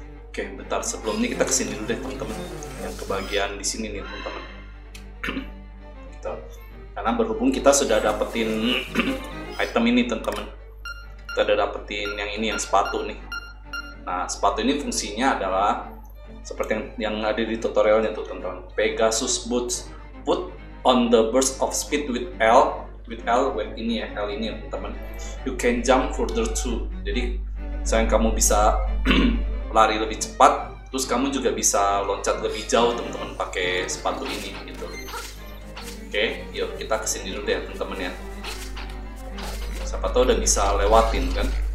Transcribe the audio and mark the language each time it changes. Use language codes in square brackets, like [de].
[id] Oke, bentar, sebelumnya kita kesini dulu deh, temen-temen. Yang kebagian di sini nih, temen-temen. Karena berhubung kita sudah dapetin item ini, temen-temen. Kita udah dapetin yang ini, yang sepatu nih. Nah, sepatu ini fungsinya adalah seperti yang ada di tutorialnya tuh, teman-teman. [en] Pegasus boots put on the burst of speed with L. With L, with [id] ini ya, L ini ya, teman-teman. [en] You can jump further too. [id] Jadi, sayang kamu bisa lari lebih cepat, terus kamu juga bisa loncat lebih jauh, teman-teman, pakai sepatu ini gitu. Oke, yuk kita kesini dulu deh, teman-teman ya. Siapa tahu udah bisa lewatin kan?